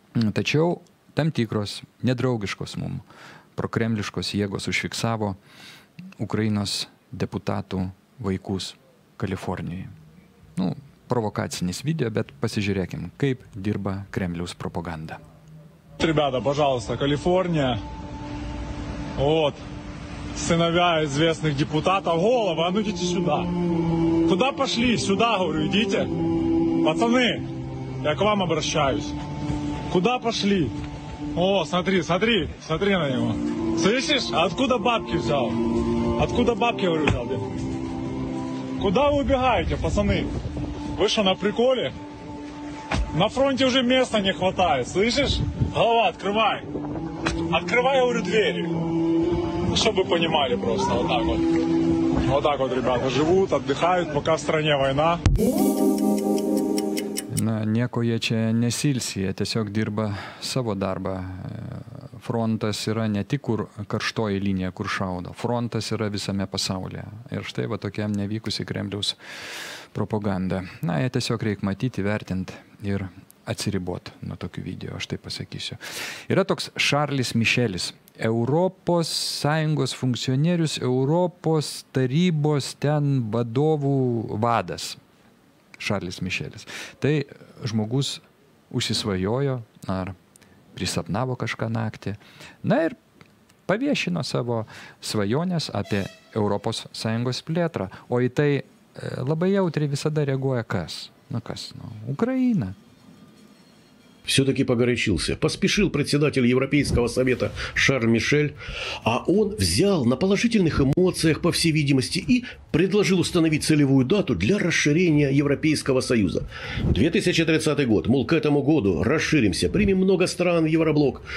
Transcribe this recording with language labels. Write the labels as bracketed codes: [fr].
[lt] Tačiau tam tikros nedraugiškos mum prokremliškos jėgos užfiksavo Ukrainos deputatų vaikus Kalifornijoje. Nu, provokacinis video, bet pasižiūrėkim, kaip dirba Kremliaus propaganda. [ru] Ребята, пожалуйста, Калифорния. Вот. Сыновья известных депутатов. Голова, а ну идите сюда. Куда пошли? Сюда, говорю, идите. Пацаны, я к вам обращаюсь. Куда пошли? О, смотри, смотри, смотри на него. Слышишь, откуда бабки взял? Откуда бабки, говорю, взял? Куда вы убегаете, пацаны? Вы что, на приколе? На фронте уже места не хватает, слышишь? Голова, открывай. Открывай, я говорю, двери. Чтобы понимали просто, вот так вот. Вот так вот, ребята, живут, отдыхают, пока в стране война. [lt] Na, nieko jie čia nesilsi, jie tiesiog dirba savo darbą. Frontas yra ne tik kur karštoji linija, kur šaudo. Frontas yra visame pasaulyje. Ir štai va tokia nevykusi Kremliaus propaganda. Na, jie tiesiog reikia matyti, vertinti ir atsiribot nuo tokių video, aš tai pasakysiu. Yra toks Šarlis Mišelis, Europos Sąjungos funkcionierius, Europos tarybos ten vadovų vadas. Šarlis Mišelis. Tai žmogus užsisvajojo ar prisapnavo kažką naktį. Na ir paviešino savo svajonės apie Europos Sąjungos plėtrą. O į tai labai jautriai visada reaguoja kas? Nu kas? Nu, Ukraina. [ru] Все-таки погорячился. Поспешил председатель Европейского совета Шарль Мишель, а он взял на положительных эмоциях, по всей видимости, и предложил установить целевую дату для расширения Европейского союза. 2030 год. Мол, к этому году расширимся, примем много стран в Евроблок.